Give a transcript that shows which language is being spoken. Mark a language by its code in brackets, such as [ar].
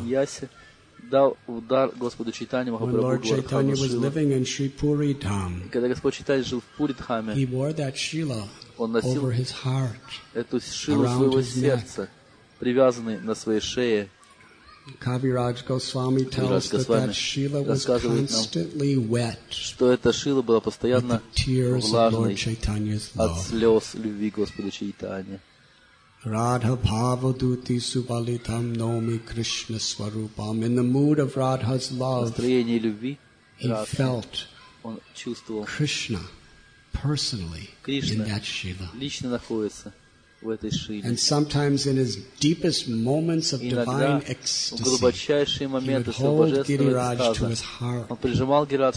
[en] When Lord Chaitanya was living in Sri Puri Dham, he wore that Shila over his heart, around his neck, [ru] привязанный на своей шее. [en] Кавирадж Госвами tells us that Шила was constantly wet, [ru] что эта Шила была постоянно влажной от слез любви Господа Чайтаньи. [sa] Radha Bhavaduti Subalitam Nomi Krishna Swarupam. [en] In the mood of Radha's love, he felt Krishna personally in that Шила. [ru] Лично находится. [en] And sometimes in his deepest moments of divine ecstasy, he would hold Giriraj to his heart.